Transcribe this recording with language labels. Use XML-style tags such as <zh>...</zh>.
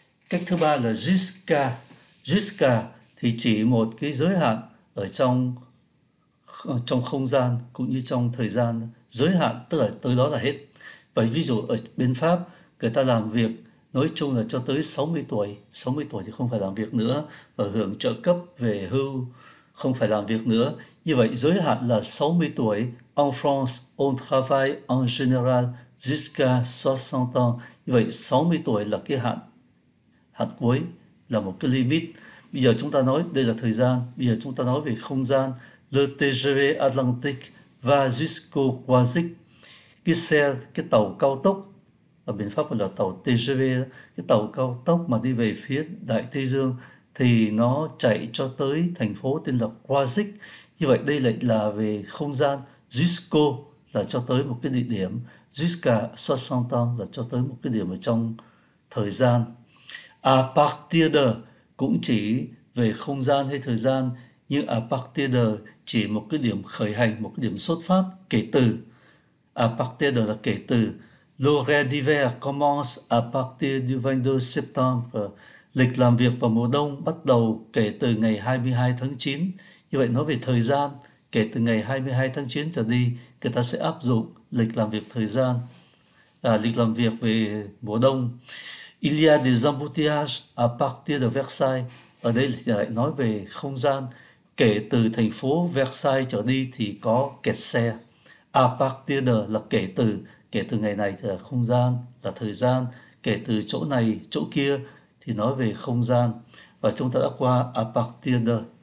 <vi>Cách thứ ba là jusqu'à. Jusqu'à thì chỉ một cái giới hạn ở trong trong không gian cũng như trong thời gian, giới hạn tức là tới đó là hết. Và ví dụ ở bên Pháp, người ta làm việc nói chung là cho tới 60 tuổi, 60 tuổi thì không phải làm việc nữa và hưởng trợ cấp về hưu, không phải làm việc nữa. Như vậy giới hạn là 60 tuổi.</vi> <fr>En France, on travaille en général jusqu'à 60 ans.</fr> <vi>Như vậy 60 tuổi là cái hạn hạn cuối, là một cái limit. Bây giờ chúng ta nói đây là thời gian, bây giờ chúng ta nói về không gian.</vi> <fr>Le TGV Atlantique va jusqu'au Croisic.</fr> <vi>Cái xe, cái tàu cao tốc, ở bên Pháp gọi là tàu TGV, cái tàu cao tốc mà đi về phía Đại Tây Dương thì nó chạy cho tới thành phố tên là Croisic. Như vậy đây lại là về không gian. Jusqu'au là cho tới một cái địa điểm. Jusqu'à 60 ans là cho tới một cái điểm ở trong thời gian. À partir de cũng chỉ về không gian hay thời gian, nhưng à partir de chỉ một cái điểm khởi hành, một cái điểm xuất phát, kể từ. À partir de là kể từ.</vi> <fr>L'horaire d'hiver commence à partir du 22 septembre.</fr> <vi>Lịch làm việc vào mùa đông bắt đầu kể từ ngày 22 tháng 9. Như vậy nói về thời gian, kể từ ngày 22 tháng 9 trở đi, người ta sẽ áp dụng lịch làm việc thời gian. À, lịch làm việc về mùa đông.</vi> <fr>Il y a des embouteillages à partir de Versailles.</fr> <vi>Ở đây thì lại nói về không gian. Kể từ thành phố Versailles trở đi thì có kẹt xe. À partir de là kể từ ngày này thì là không gian, là thời gian. Kể từ chỗ này, chỗ kia thì nói về không gian. Và chúng ta đã qua à partir de.</vi>